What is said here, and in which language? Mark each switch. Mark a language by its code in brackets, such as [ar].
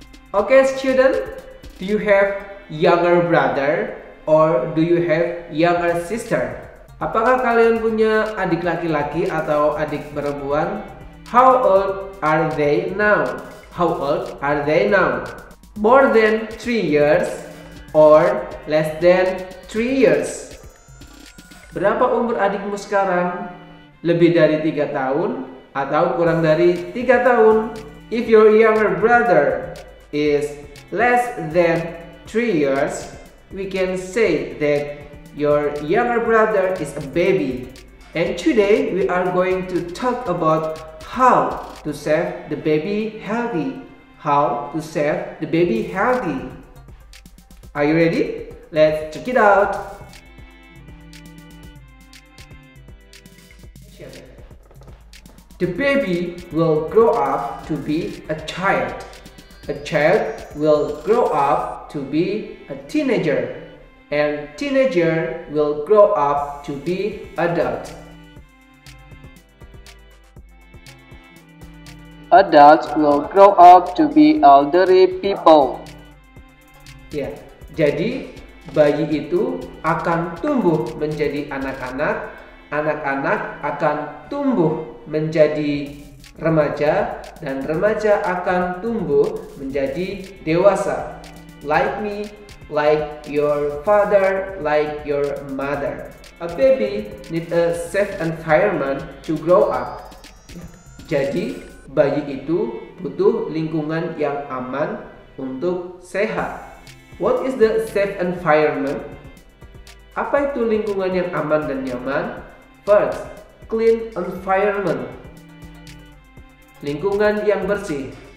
[en] Okay student, do you have younger brother or do you have younger sister? [id] Apakah kalian punya adik laki-laki atau adik perempuan? [en] How old are they now? How old are they now? More than 3 years or less than 3 years? [id] Berapa umur adikmu sekarang? Lebih dari 3 tahun atau kurang dari 3 tahun? [en] If your younger brother is less than 3 years, we can say that your younger brother is a baby. And today we are going to talk about how to save the baby healthy. How to save the baby healthy. Are you ready? Let's check it out. The baby will grow up to be a child. A child will grow up to be a teenager. And teenager will grow up to be adult. Adults will grow up to be elderly people. Yeah. [id] Jadi, bayi itu akan tumbuh menjadi anak-anak. Anak-anak akan tumbuh menjadi remaja, dan remaja akan tumbuh menjadi dewasa. [en] Like me, like your father, like your mother. A baby need a safe environment to grow up. [id] Jadi, bayi itu butuh lingkungan yang aman untuk sehat. [en] What is the safe environment? [id] Apa itu lingkungan yang aman dan nyaman? [en] First, clean environment. [id] Lingkungan yang bersih.